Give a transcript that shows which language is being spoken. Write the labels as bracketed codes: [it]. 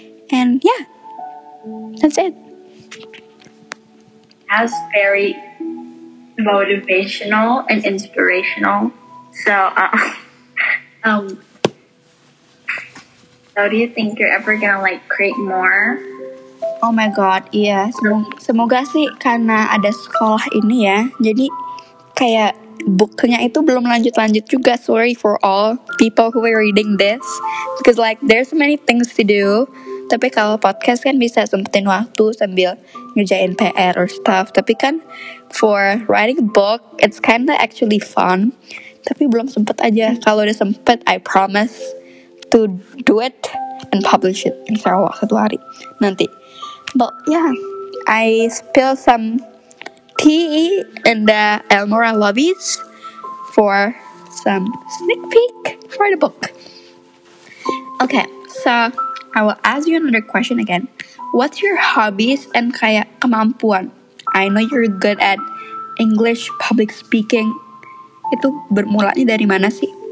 [en] And yeah, that's it. That's very motivational and inspirational. So do you think you're ever gonna like create more? Oh my god, yeah. [id] Semoga sih karena ada sekolah ini ya, jadi kayak bukunya itu belum lanjut-lanjut juga. [en] Sorry for all people who are reading this, because like there's many things to do. [id] Tapi kalau podcast kan bisa sempetin waktu sambil ngerjain PR [en] or stuff. [id] Tapi kan [en] for writing a book, it's kinda actually fun. [id] Tapi belum sempet aja. Kalau udah sempet, [en] I promise to do it and publish it [id] insyaallah satu hari nanti. [en] But yeah, I spill some tea in the Elmora lobbies for some sneak peek for the book. Okay, so I will ask you another question again. What's your hobbies and [id] kayak kemampuan? [en] I know you're good at English public speaking. [id] Itu bermulanya dari mana sih?